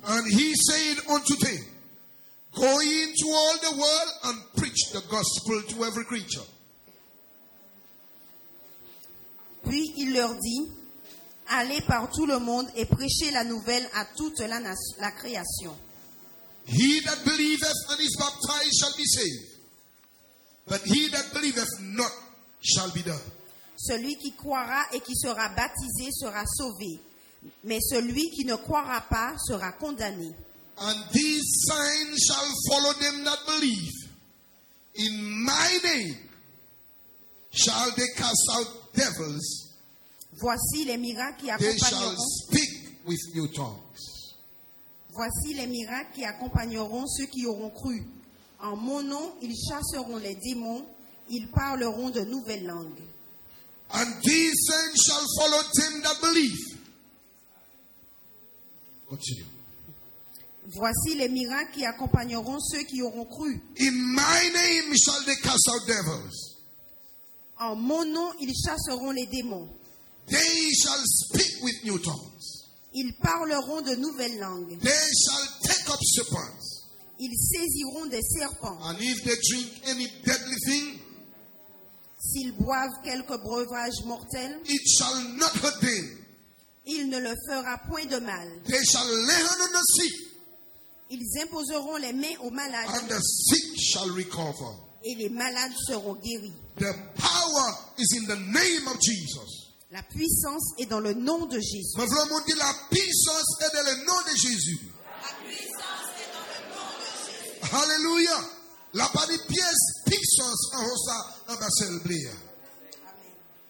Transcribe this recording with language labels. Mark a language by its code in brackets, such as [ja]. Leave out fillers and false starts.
[en] And he said unto them, go into all the world and preach the gospel to every creature. [fr] Puis il leur dit, allez par tout le monde et prêchez la nouvelle à toute la création. [en] He that believeth and is baptized shall be saved. But he that believeth not shall be damned. [fr] Celui qui croira et qui sera baptisé sera sauvé. Mais celui qui ne croira pas sera condamné. [en] And these signs shall follow them that believe. In my name shall they cast out devils. [fr] Voici les miracles qui accompagneront. [en] They shall speak with new tongues. [fr] Voici les miracles qui accompagneront ceux qui auront cru. En mon nom, ils chasseront les démons, ils parleront de nouvelles langues. [en] And these things shall follow them that believe. Continue. [fr] Voici les miracles qui accompagneront ceux qui auront cru. [en] In my name shall they cast out devils. [fr] En mon nom, ils chasseront les démons. [en] They shall speak with new tongues. [fr] Ils parleront de nouvelles langues. [en] They shall take up serpents. [fr] Ils saisiront des serpents. [en] And if they drink any deadly thing, [fr] s'ils boivent quelque breuvage mortel, [en] it shall not hurt them. [fr] Il ne le fera point de mal. [en] They shall lay hands on the sick. [fr] Ils imposeront les mains aux malades. [en] And the sick shall recover. [fr] Et les malades seront guéris. [en] The power is in the name of Jesus. [fr] La puissance est dans le nom de Jésus. Mais vraiment dit, la puissance est dans le nom de Jésus. La puissance est dans le nom de Jésus. Alléluia. La panique pièce, puissance, en haut ça, en bas celle brille. Amen.